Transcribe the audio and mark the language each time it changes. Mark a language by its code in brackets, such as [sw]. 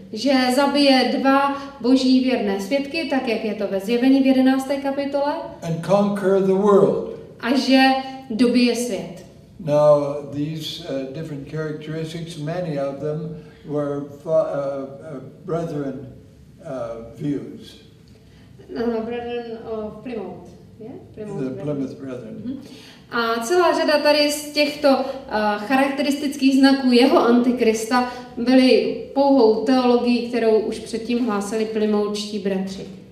[cs] Že zabije dva boží věrné svědky, tak jak je to ve Zjevení v 11. kapitole. [en] And conquer the world. [cs] A že dobije svět. [en] Now these different characteristics, many of them were brethren views. Brethren of Plymouth. Yeah, the Plymouth Brethren. [cs] A celá řada tady z těchto charakteristických znaků jeho antikrista byly pouhou teologií, kterou už předtím hlásili plymoučtí bratři.